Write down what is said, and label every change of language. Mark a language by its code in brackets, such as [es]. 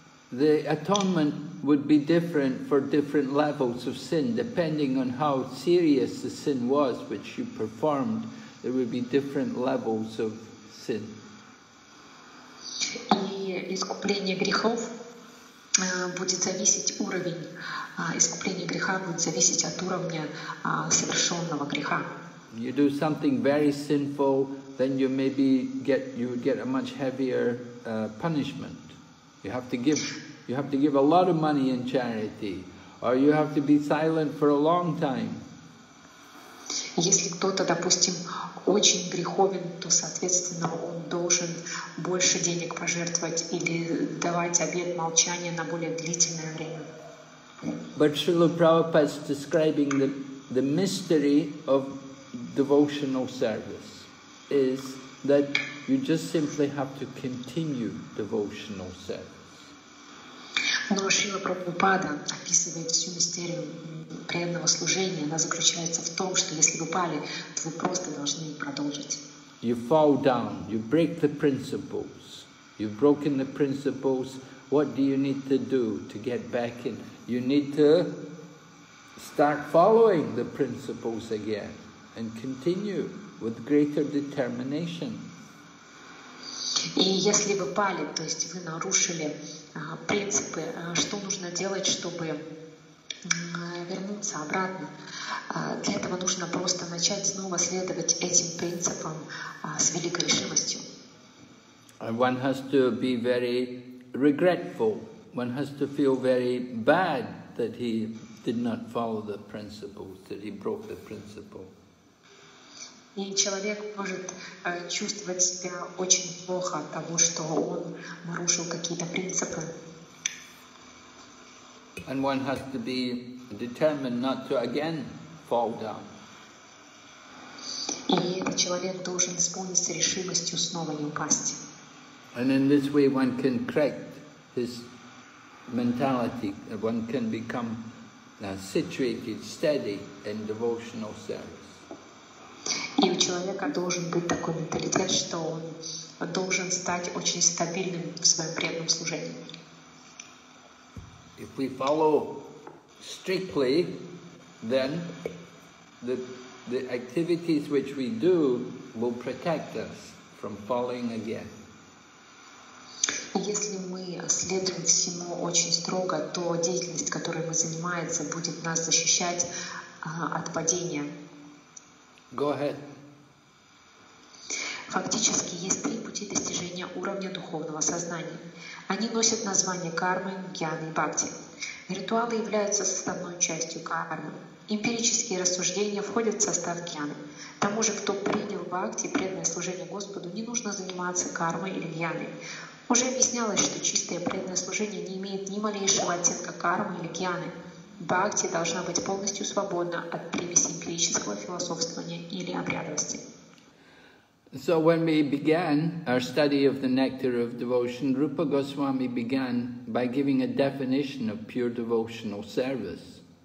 [en] The atonement would be different for different levels of sin, depending on how serious the sin was which you performed. There would be different levels of sin. [ru] И искупление грехов будет зависеть уровень. Искупление греха будет зависеть от уровня совершенного греха. [en] You do something very sinful, then you maybe get a much heavier punishment. You have to give a lot of money in charity, or you have to be silent for a long time. [ru] Если кто-то, допустим, очень греховен, то, соответственно, он должен больше денег пожертвовать или давать обет молчания на более длительное время. [en] But Srila Prabhupada is describing the mystery of devotional service is that you just simply have to continue devotional service. [ru] Но Шрила Прабхупада описывает всю мистерию преданного служения. Она заключается в том, что если вы пали, то вы просто должны продолжить. [en] You fall down, you break the principles. You've broken the principles. What do you need to do to get back in? You need to start following the principles again and continue with greater determination. [ru] И если вы пали, то есть вы нарушили принципы, что нужно делать, чтобы вернуться обратно? Для этого нужно просто начать снова следовать этим принципам с великой решимостью. [en] One has to be very regretful. One has to feel very bad that he did not follow the principles, that he broke the principle. [ru] И человек может чувствовать себя очень плохо от того, что он нарушил какие-то принципы. [en] And one has to be determined not to again fall down. [ru] И этот человек должен исполниться решимостью снова не упасть. [en] And in this way one can correct his mentality, one can become situated, steady in devotional service. [ru] И у человека должен быть такой менталитет, что он должен стать очень стабильным в своем преданном служении. [en] If we follow strictly, then the activities which we do will protect us from falling again. [ru] Если мы следуем всему очень строго, то деятельность, которой мы занимаемся, будет нас защищать от падения. [en] Go ahead. [ru] Фактически, есть три пути достижения уровня духовного сознания. Они носят название кармы, гьяны и бхакти. Ритуалы являются составной частью кармы. Эмпирические рассуждения входят в состав гьяны. К тому же, кто принял бхакти, преданное служение Господу, не нужно заниматься кармой или гьяной. Уже объяснялось, что чистое преданное служение не имеет ни малейшего оттенка кармы или гьяны. Бхакти должна быть полностью свободна от примеси эмпирического философствования или обрядовости. [en] So when we began our study of the nectar of devotion, Rupa Goswami began by giving a definition of pure devotional service.